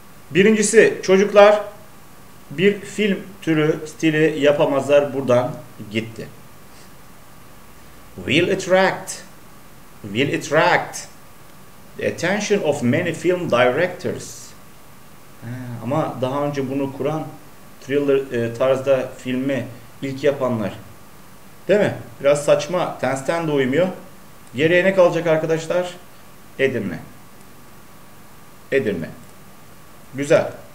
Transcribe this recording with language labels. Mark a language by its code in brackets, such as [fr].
[tr] Birincisi çocuklar bir film türü stili yapamazlar buradan gitti. [en] Will attract. Will attract the attention of many film directors. [tr] Ama daha önce bunu kuran thriller tarzda filmi ilk yapanlar. Değil mi? Biraz saçma. Tense'ten de uymuyor. Geriye ne kalacak arkadaşlar? Edinme. Edinme. Güzel.